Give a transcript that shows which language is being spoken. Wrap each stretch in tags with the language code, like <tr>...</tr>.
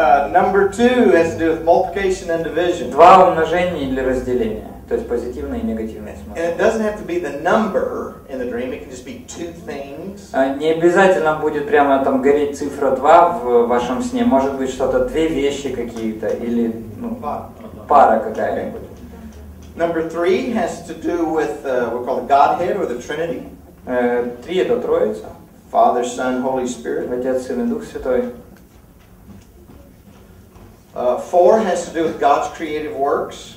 <en>Number two has to do with multiplication and division.</en> <ru>Два умножения или разделения, то есть позитивное и негативное смысл.</ru> <en>And it doesn't have to be the number in the dream; it can just be two things.</en> <ru>Не обязательно будет прямо там гореть цифра 2 в вашем сне. Может быть что-то две вещи какие-то или пара какая-то.</ru> <en>Number three has to do with we call the Godhead or the Trinity.</en> <ru>Три — это Троица.</ru> <en>Father, Son, Holy Spirit.</en> <ru>Отец, Сын и Дух Святой.</ru> <en>Four has to do with God's creative works.</en>